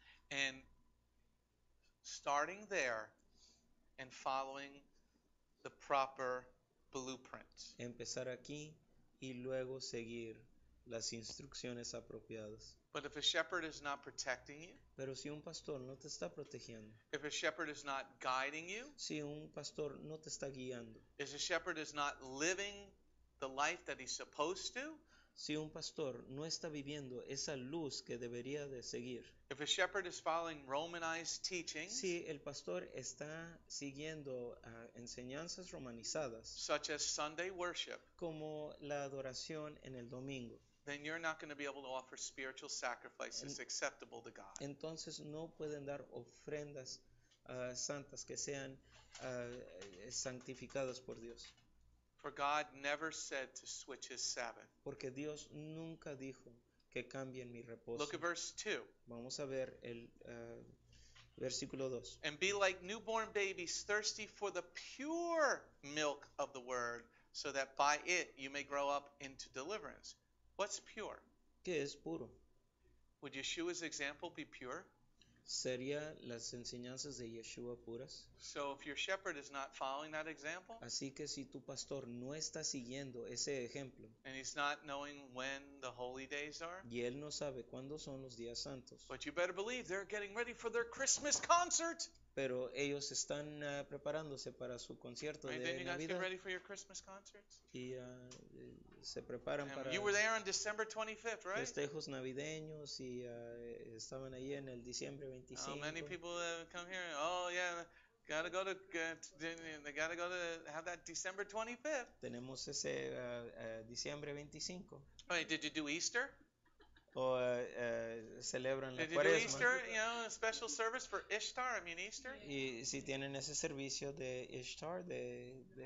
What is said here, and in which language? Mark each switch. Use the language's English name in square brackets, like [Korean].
[English] And starting there and following the proper blueprint. [Spanish] Empezar aquí y luego seguir las instrucciones apropiadas. [English] But if a shepherd is not protecting you, [Spanish] pero si un pastor no te está protegiendo, [English] if a shepherd is not guiding you, [Spanish] si un pastor no te está guiando, [English] if a shepherd is not living the life that he's supposed to, [Spanish] si un pastor no está viviendo esa luz que debería de seguir, [English] if a shepherd is following Romanized teachings, [Spanish] si el pastor está siguiendo enseñanzas romanizadas, [English] such as Sunday worship, [Spanish] como la adoración en el domingo, [English] then you're not going to be able to offer spiritual sacrifices acceptable to God. [Spanish] Entonces no pueden dar ofrendas santas que sean santificadas por Dios. [English] For God never said to switch his Sabbath. [Spanish] Porque Dios nunca dijo que cambien mi reposo. [English] Look at verse 2. [Spanish] Vamos a ver el versículo 2. [English] And be like newborn babies thirsty for the pure milk of the word, so that by it you may grow up into deliverance. What's pure? [Spanish] ¿Qué es puro? [English] Would Yeshua's example be pure? [Spanish] ¿Sería las enseñanzas de Yeshua puras? [English] So if your shepherd is not following that example, [Spanish] así que si tu pastor no está siguiendo ese ejemplo, [English] and he's not knowing when the holy days are, [Spanish] y él no sabe cuándo son los días santos, [English] but you better believe they're getting ready for their Christmas concert. [Spanish] Pero ellos están preparándose para su concierto de Navidad. [English] Did you guys get ready for your Christmas concerts? [Spanish] Y se preparan para. [English] You were there on December 25th, right? [Spanish] Festejos navideños y estaban ahí en el diciembre 25. [English] How many people have come here? Oh yeah, gotta go to they gotta go to have that December 25th. [Spanish] Tenemos ese diciembre 25. [English] Wait, did you do Easter? [Spanish] O celebran la Cuaresma. [English] Did you do Easter, you know, a special service for Ishtar? I mean Easter. [Spanish] Y si tienen ese servicio de Ishtar de